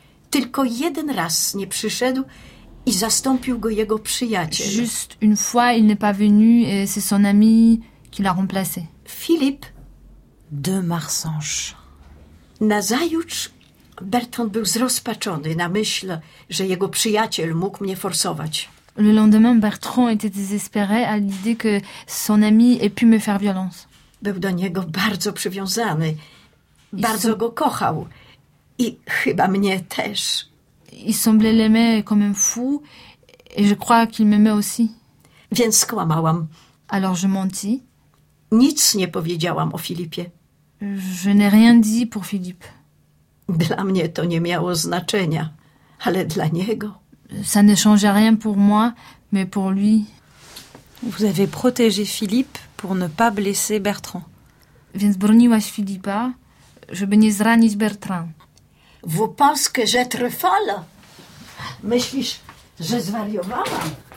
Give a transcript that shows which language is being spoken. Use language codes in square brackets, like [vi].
[pl] Tylko jeden raz nie przyszedł i zastąpił go jego przyjaciel. [fr] Juste une fois, il n'est pas venu et c'est son ami qui l'a remplacé. Philippe de Marsanche. [pl] Nazajutrz Bertrand był zrozpaczony na myśl, że jego przyjaciel mógł mnie forsować. [fr] Le lendemain, Bertrand était désespéré à l'idée que son ami ait pu me faire violence. [pl] Był do niego bardzo przywiązany. Bardzo go kochał. I chyba mnie też. [fr] Il semblait l'aimer comme un fou et je crois qu'il m'aimait aussi. [pl] Więc kłamałam. [fr] Alors je mentis. [pl] Nic nie powiedziałam o Filipie. [fr] Je n'ai rien dit pour Philippe. [pl] Dla mnie to nie miało znaczenia, ale dla niego. [fr] Ça ne changeait rien pour moi, mais pour lui. Vous avez protégé Philippe pour ne pas blesser Bertrand. [pl] Więc broniłaś Filipa, żeby nie zranić Bertrand. [fr] Vous pensez que j'être folle? [pl] Myślisz, że zwariowałam?